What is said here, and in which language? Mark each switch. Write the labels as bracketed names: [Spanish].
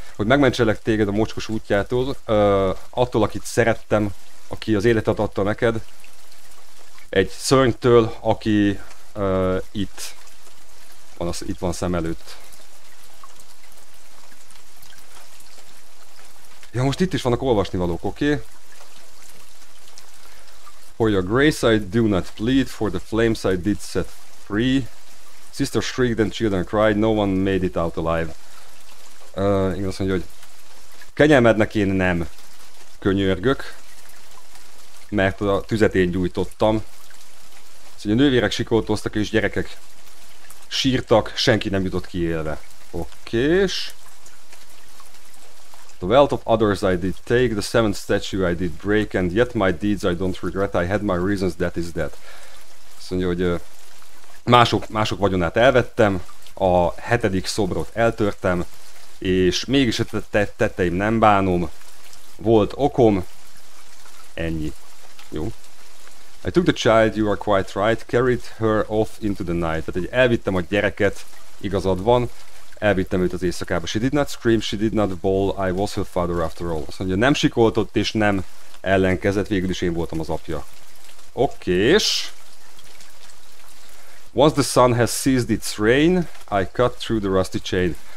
[Hungarian] Hogy megmentselek téged a mocskos útjától, attól, akit szerettem, aki az életet adta neked. Egy szörnytől, aki itt van szem előtt. Ja, most itt is vannak olvasnivalók, oké? [English] Okay? For your grace I do not plead, for the flames I did set free. Sister shrieked and children cried, no one made it out alive. [Hungarian] Igen, azt mondja, hogy kenyelmednek én nem könyörgök, mert a tüzet én gyújtottam. Azt mondja, nővérek sikoltoztak és gyerekek sírtak, senki nem jutott ki élve. Oké, és... [English] The wealth of others I did take, the seventh statue I did break, and yet my deeds I don't regret, I had my reasons, that is that. [Hungarian] Azt mondja, hogy mások vagyonát elvettem, a hetedik szobrot eltörtem, és mégis a tetteim nem bánom, volt okom, ennyi. Jó. [English] I took the child, you are quite right, carried her off into the night. [Hungarian] Tehát hogy elvittem a gyereket, igazad van. Elvittem őt az éjszakába. [English] She did not scream, she did not bawl, I was her father after all. [Hungarian] Azt mondja, nem sikoltott és nem ellenkezett, végül is én voltam az apja. Okés. [English] Once the sun has ceased its rain, I cut through the rusty chain.